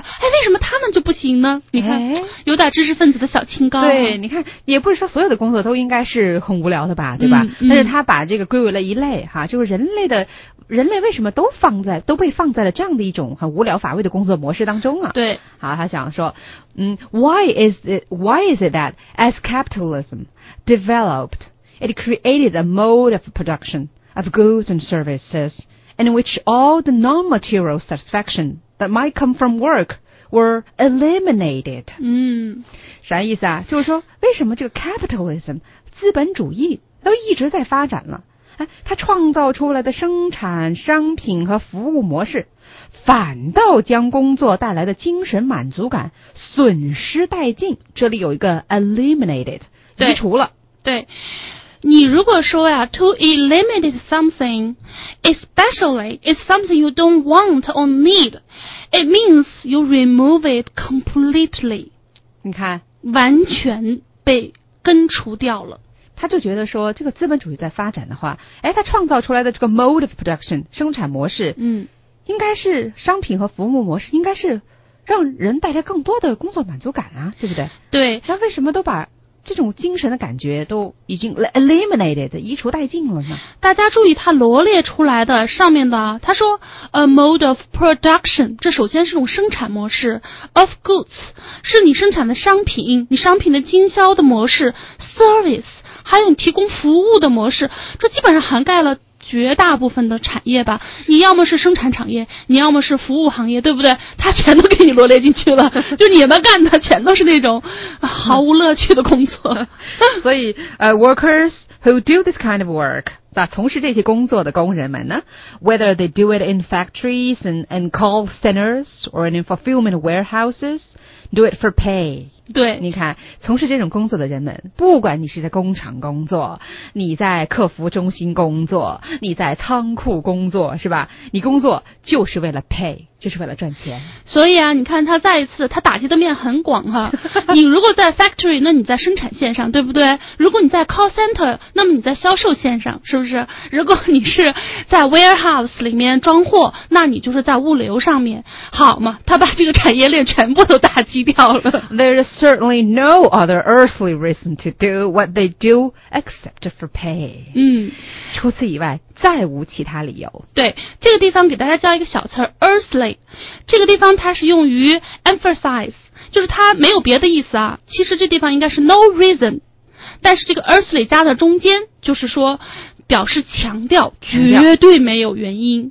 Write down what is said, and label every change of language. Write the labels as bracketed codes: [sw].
[zh] 哎，为什么他们就不行呢？你看，有点知识分子的小清高。对，你看，也不是说所有的工作都应该是很无聊的吧，对吧？嗯嗯、但是他把这个归为了一类哈，就是人类为什么都被放在了这样的一种很无聊乏味的工作模式当中啊？对， [en] 好，他想说，why is it that as capitalism developed, it created a mode of production of goods and services in which all the non-material satisfaction that might come from work were eliminated？ [zh] 嗯，啥意思啊？就是说，为什么这个 capitalism 资本主义都一直在发展了？哎，他创造出来的生产商品和服务模式，反倒将工作带来的精神满足感损失殆尽。这里有一个 eliminated， 移除了。对，你如果说呀 [en] ，to eliminate something， especially is something you don't want or need， it means you remove it completely。 [zh] 你看，完全被根除掉了。他就觉得说这个资本主义在发展的话，哎，他创造出来的这个 [en] mode of production [zh] 生产模式，嗯，应该是商品和服务模式，应该是让人带来更多的工作满足感啊，对不对？对，那为什么都把这种精神的感觉都已经 eliminated 移除殆尽了呢？大家注意他罗列出来的上面的，他说 a mode of production， 这首先是种生产模式， of goods 是你生产的商品，你商品的经销的模式， service还有你提供服务的模式，这基本上涵盖了绝大部分的产业吧。你要么是生产产业，你要么是服务行业，对不对？它全都给你罗列进去了，就你们干的全都是那种毫无乐趣的工作。 [en] 所以workers who do this kind of work， [zh] 从事这些工作的工人们呢， [en] whether they do it in factories and call centers or in fulfillment warehouses， do it for pay。 [zh] 对，你看，从事这种工作的人们，不管你是在工厂工作，你在客服中心工作，你在仓库工作，是吧？你工作就是为了 pay， 就是为了赚钱。所以啊，你看他再一次，他打击的面很广哈。你如果在 factory， 那你在生产线上，对不对？如果你在 call center， 那么你在销售线上，是不是？如果你是在 warehouse 里面装货，那你就是在物流上面，好嘛？他把这个产业链全部都打击掉了。 [en] Certainly no other earthly reason to do what they do except for pay. [zh] 嗯，除此以外再无其他理由。对，这个地方给大家教一个小词 earthly， 这个地方它是用于 emphasize， 就是它没有别的意思啊。其实这地方应该是 no reason， 但是这个 earthly 加在中间，就是说表示强调，绝对没有原因，